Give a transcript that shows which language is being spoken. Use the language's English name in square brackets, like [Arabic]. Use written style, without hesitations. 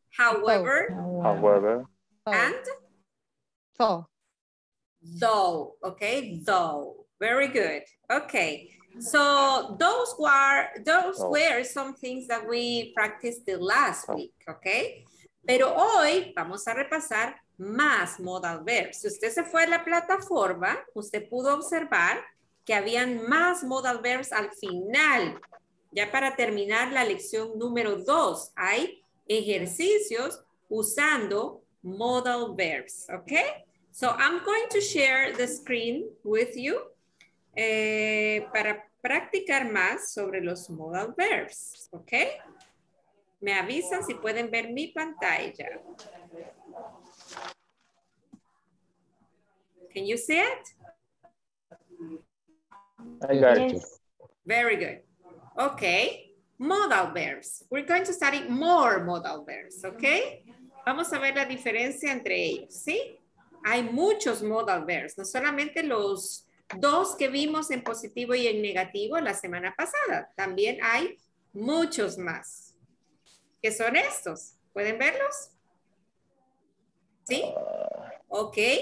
[English] however, and though. Though, okay, though. Very good. Okay, so those were some things that we practiced the last week, okay? [Spanish] Pero hoy vamos a repasar más modal verbs. Si usted se fue a la plataforma, usted pudo observar que habían más modal verbs al final. Ya para terminar la lección número 2, hay ejercicios usando [English] modal verbs, okay? So I'm going to share the screen with you [Spanish] para practicar más sobre los [English] modal verbs, okay? [Spanish] Me avisan si pueden ver mi pantalla. [English] Can you see it? I got it. Very good. Okay, modal verbs. We're going to study more modal verbs, okay? [Spanish] Vamos a ver la diferencia entre ellos, ¿sí? Hay muchos modal verbs, no solamente los dos que vimos en positivo y en negativo la semana pasada. También hay muchos más. ¿Qué son estos? ¿Pueden verlos? ¿Sí? Ok.